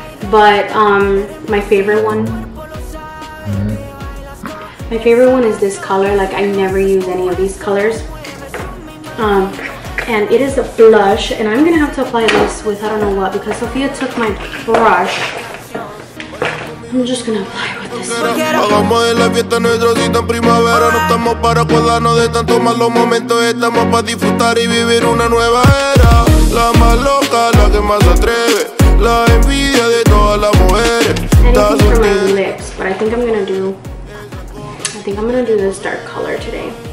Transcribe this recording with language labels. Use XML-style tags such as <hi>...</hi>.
<en>But my favorite one. My favorite one is this color. Like, I never use any of these colors. And it is a blush. And I'm gonna have to apply this with I don't know what, because Sophia took my brush. I'm just gonna apply it.</en> <es>Hagamos de la fiesta nuestro cita en primavera. No estamos para acordarnos de tantos malos momentos. Estamos para disfrutar y vivir una nueva era. La más loca, la que más atreve. La envidia de todas las mujeres.</es> <en>Anything for my lips, but I think I'm gonna do this dark color today.</en>